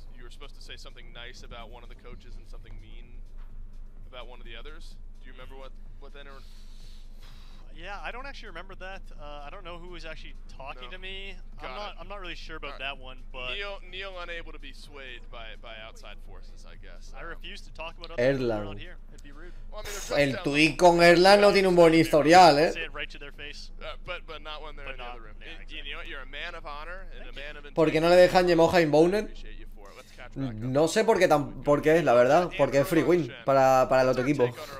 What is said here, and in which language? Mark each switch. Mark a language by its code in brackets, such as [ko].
[en] You were supposed to say something nice about one of the coaches and something mean about one of the others? Do you remember what then... Yeah, I don't actually remember that. I don't know who was actually talking to me. I'm not really sure about that one, but... Neil unable to be swayed by outside forces, I guess. I refuse to talk about other people around here. It'd be rude. [es] El tweet con Erlan no tiene un buen historial, eh? [en] Say it right to their face. But not when they're in the other room. Yeah, exactly. You know, you're a man of honor and a man of integrity. [es] ¿Por qué no le dejan Yemoja inbounded? No sé por qué, la verdad. Porque es [en] free win [es] para el otro equipo.